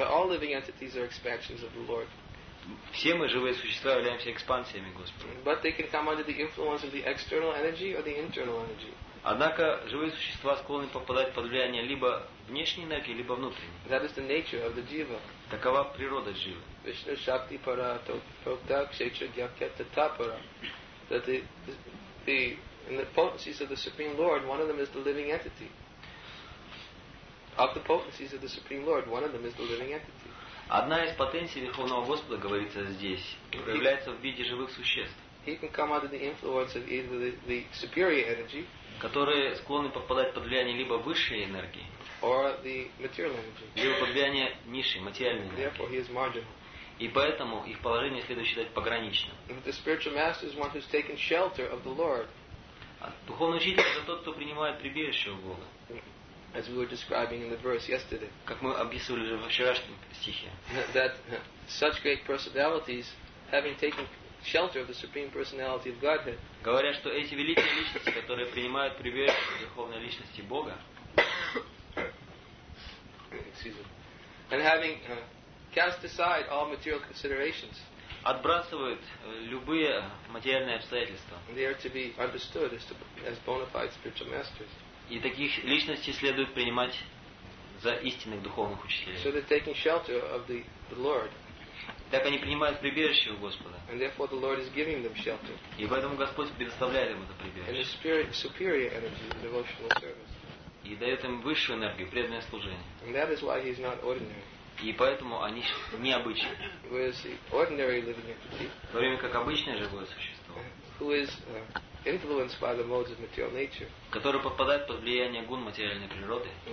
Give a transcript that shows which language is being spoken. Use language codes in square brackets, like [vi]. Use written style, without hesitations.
[en] All living entities are expansions of the Lord. [ru] Все мы живые существа являемся экспансиями Господа. [en] But they can come under the influence of the external energy or the internal energy. [ru] Однако живые существа склонны попадать под влияние либо внешней энергии, либо внутренней. [en] That is the nature of the jiva. [ru] Такова природа живы. [sa] Vishnu Shakti Para Tokta Kshetra Gyakyata Tapara. [en] That the in the potencies of the Supreme Lord, one of them is the living entity. Of the potencies of the Supreme Lord, one of them is the living entity. [ru] Одна из потенций Верховного Господа, говорится здесь, проявляется в виде живых существ. [en] He can come under the influence of either the superior energy, [ru] которые склонны попадать под влияние либо высшей энергии, [en] or the material energy, [ru] либо под влияние низшей, материальной энергии. [en] Therefore he is marginal. [ru] И поэтому их положение следует считать пограничным. [en] The spiritual master is one who has taken shelter of the Lord. [ru] Духовный учитель – это тот, кто принимает прибежище у Бога. [en] As we were describing in the verse yesterday, [ru] как мы описывали во вчерашнем стихе, [en] that such great personalities, having taken shelter of the supreme personality of Godhead, [ru] говорят, что эти великие личности, которые принимают прибежище в духовной личности Бога, [en] excuse me, and having cast aside all material considerations, [ru] отбрасывают любые материальные обстоятельства, [en] they are to be understood as bona fide spiritual masters. [ru] И таких личностей следует принимать за истинных духовных учителей. [en] So the Lord. [ru] Так они принимают прибежище у Господа. [en] And therefore the Lord is giving them shelter. [ru] И поэтому Господь предоставляет им это прибежище. [en] And the spirit, superior energy, the devotional service. [ru] И дает им высшую энергию, преданное служение. [en] And that is why he is not ordinary. [ru] И поэтому они необычны. [en] Whereas ordinary living entity, [ru] в то время как обычное живое существо, [en] who is, influenced by the modes of material nature, [ru] который попадает под влияние гун материальной природы,